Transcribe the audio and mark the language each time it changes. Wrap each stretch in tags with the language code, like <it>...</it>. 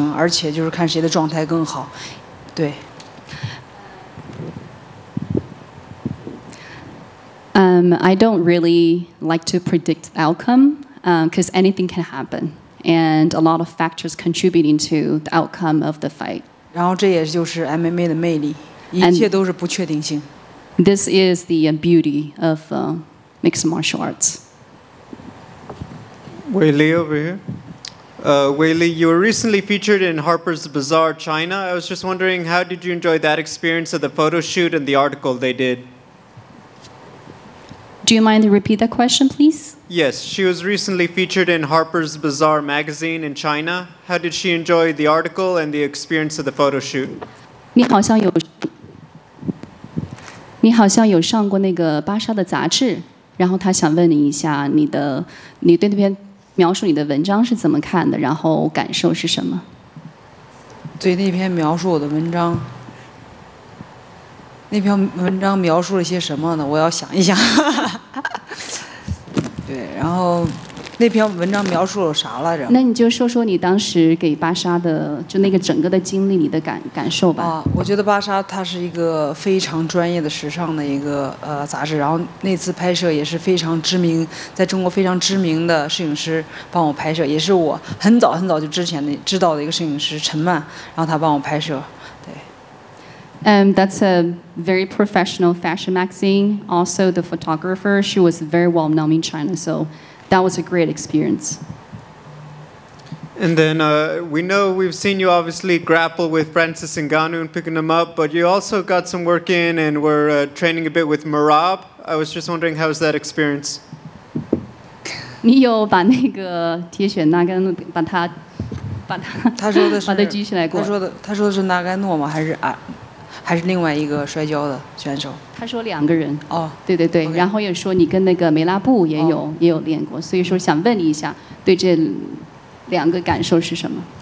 <zh>你可不可以讲一下你对主卡拉几个比赛的一些看法，或者说预测？我其实一般很少去预测比赛，因为我觉得在赛场上什么都有可能发生，而且就是看谁的状态更好。对。</zh> <en>I don't really like to predict outcome because anything can happen, and a lot of factors contributing to the outcome of the fight.</en> <zh>然后这也就是 MMA 的魅力，一切都是不确定性。</zh> <en>This is the beauty of mixed martial arts. Weili over here. Weili, you were recently featured in Harper's Bazaar China. I was just wondering, how did you enjoy that experience of the photo shoot and the article they did? Do you mind to repeat that question, please? Yes, she was recently featured in Harper's Bazaar magazine in China. How did she enjoy the article and the experience of the photo shoot?</en> <zh>你好像有上过那个芭莎的杂志。然后他想问你一下你的你对那篇描述你的文章是怎么看的，然后感受是什么？对那篇描述我的文章，那篇文章描述了些什么呢？我要想一想。对，然后那篇文章描述了啥来着？那你就说说你当时给巴莎的就那个整个的经历，你的感受吧。我觉得巴莎它是一个非常专业的时尚的一个杂志，然后那次拍摄也是非常知名，在中国非常知名的摄影师帮我拍摄，也是我很早很早就之前的知道的一个摄影师陈曼，然后他帮我拍摄。 That's a very professional fashion magazine. Also, the photographer, she was very well known in China. So that was a great experience. And then we know we've seen you obviously grapple with Francis Ngannou and picking him up, but you also got some work in and were training a bit with Marab. I was just wondering, how was that experience? 你有把那个铁血纳甘把他把他他说的是把他举起来过？他说的是纳甘诺吗？还是啊？还是另外一个摔跤的选手，他说两个人哦，对对对、</zh> <en>okay.</en> <zh>然后也说你跟那个梅拉布也有、哦、也有练过，所以说想问你一下对这两个感受是什么。</zh>